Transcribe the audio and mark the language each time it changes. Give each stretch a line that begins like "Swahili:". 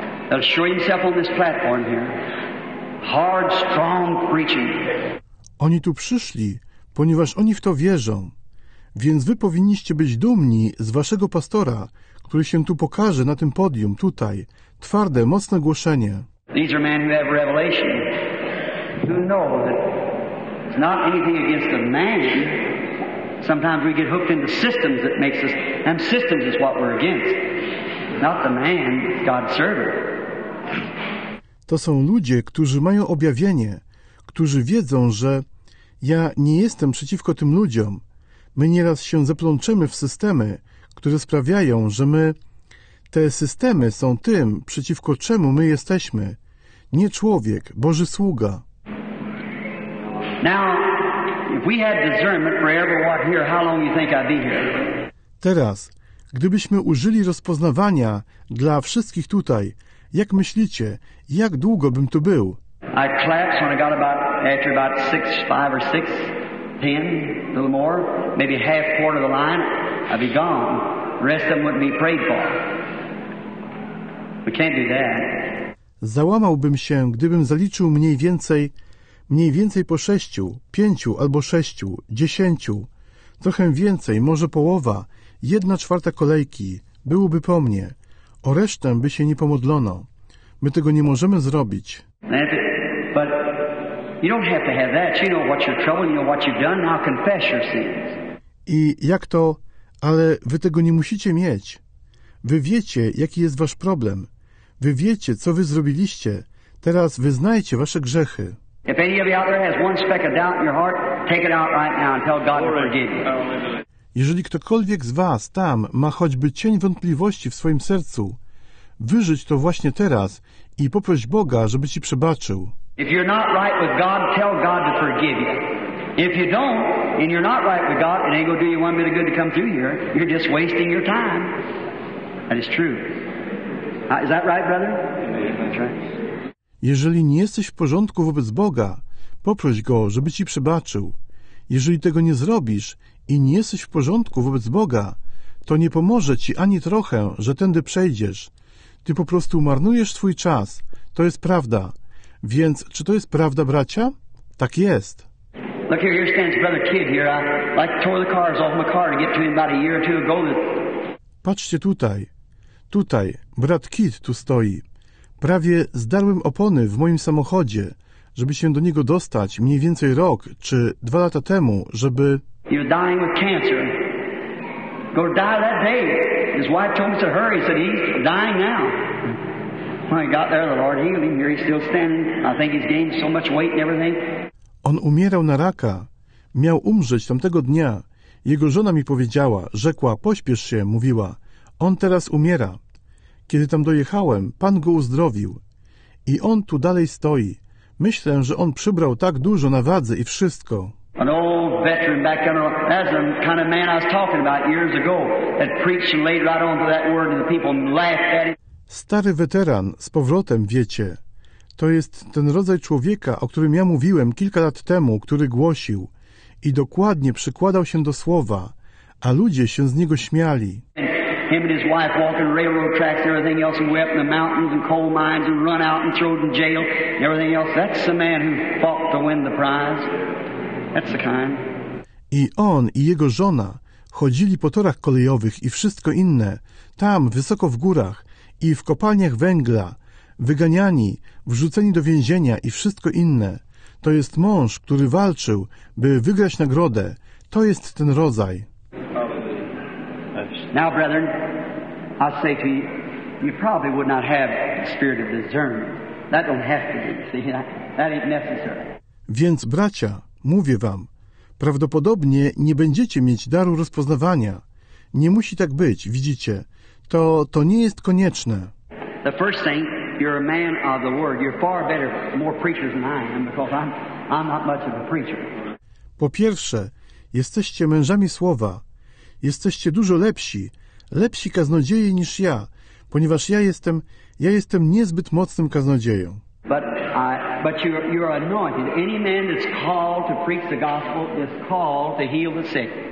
English: They'll show himself on this platform here. Hard, strong preaching.
Polish: Oni tu przyszli, ponieważ oni w to wierzą. Więc wy powinniście być dumni z waszego pastora, który się tu pokaże na tym podium, tutaj. Twarde, mocne głoszenie.
English: These are men who have revelation. Who know that it's not anything against a man. Sometimes we get hooked into systems that makes us, and systems is what we're against. Not the man, God's servant.
Polish: To są ludzie, którzy mają objawienie, którzy wiedzą, że ja nie jestem przeciwko tym ludziom. My nieraz się zaplączymy w systemy, które sprawiają, że my, te systemy są tym, przeciwko czemu my jesteśmy. Nie człowiek, Boży sługa.
English: Now, if we had discernment for every walk here, how long you think I'd be here?
Polish: Teraz, gdybyśmy użyli rozpoznawania dla wszystkich tutaj, jak myślicie, jak długo bym tu był?
English: I collapsed when I got about, after about six, five or six, ten, a little more, maybe half quarter of the line, I'd be gone. The rest of them wouldn't be prayed for. We can't do that.
Polish: Załamałbym się, gdybym zaliczył mniej więcej po sześciu, pięciu albo sześciu, dziesięciu, trochę więcej, może połowa, jedna czwarta kolejki, byłoby po mnie. O resztę by się nie pomodlono. My tego nie możemy zrobić.
English: But you don't have to have that. You know what your trouble, you know what you've done, now confess your sins.
Polish: I jak to, ale wy tego nie musicie mieć. Wy wiecie, jaki jest wasz problem. Wy wiecie, co wy zrobiliście. Teraz wyznajcie wasze grzechy.
English: If any of you out there has one speck of doubt in your heart, take it out right now and tell God to forgive you.
Polish: Jeżeli ktokolwiek z was tam ma choćby cień wątpliwości w swoim sercu, wyżyć to właśnie teraz i poproś Boga, żeby ci przebaczył.
English: If you're not right with God, tell God to forgive you. If you don't, and you're not right with God, it ain't gonna do you one bit of good to come through here. You're just wasting your time. That is true. Is that right, brother? That's right.
Polish: Jeżeli nie jesteś w porządku wobec Boga, poproś Go, żeby ci przebaczył. Jeżeli tego nie zrobisz i nie jesteś w porządku wobec Boga, to nie pomoże ci ani trochę, że tędy przejdziesz. Ty po prostu marnujesz twój czas. To jest prawda. Więc czy to jest prawda, bracia? Tak jest.
English: Look here, here stands brother Kidd here. I tore the cars off my car to get to him about a year or two ago.
Polish: Patrzcie tutaj. Tutaj, brat Kidd tu stoi. Prawie zdarłem opony w moim samochodzie, żeby się do niego dostać mniej więcej rok czy dwa lata temu, żeby...
English: You're dying with cancer. Go die that day. His wife told me to hurry. He said he's dying now. When I got there, the Lord healed him. Here he's still standing. I think he's gained so much weight and everything.
Polish: On umierał na raka. Miał umrzeć tamtego dnia. Jego żona mi powiedziała, rzekła, pośpiesz się, mówiła. On teraz umiera. Kiedy tam dojechałem, Pan go uzdrowił. I on tu dalej stoi. Myślę, że on przybrał tak dużo na wadze i wszystko.
English: An old veteran back then, that's the kind of man I was talking about years ago, that preached and laid right onto that word and the people laughed at it.
Polish: Stary weteran, z powrotem, wiecie. To jest ten rodzaj człowieka, o którym ja mówiłem kilka lat temu, który głosił i dokładnie przykładał się do słowa, a ludzie się z niego śmiali.
English: Him and his wife walking railroad tracks and everything else, and went up in the mountains and coal mines and run out and thrown in jail and everything else. That's the man who fought to win the prize. That's the kind.
Polish: I on i jego żona chodzili po torach kolejowych i wszystko inne, tam, wysoko w górach i w kopalniach węgla, wyganiani, wrzuceni do więzienia i wszystko inne. To jest mąż, który walczył, by wygrać nagrodę. To jest ten rodzaj.
English: Now, brethren, I say to you, you probably would not have the spirit of discernment. That don't have to be. See, that ain't necessary.
Polish: Więc, bracia, mówię wam, prawdopodobnie nie będziecie mieć daru rozpoznawania. Nie musi tak być, widzicie. To nie jest konieczne.
English: The first thing, you're a man of the word. You're far better, more preachers than I am, because I'm not much of a preacher.
Polish: Po pierwsze, jesteście mężami słowa. Jesteście dużo lepsi, lepsi kaznodzieje niż ja, ponieważ ja jestem niezbyt mocnym kaznodzieją.
English: But you're anointed. Any man that's called to preach the gospel is called to heal the sick.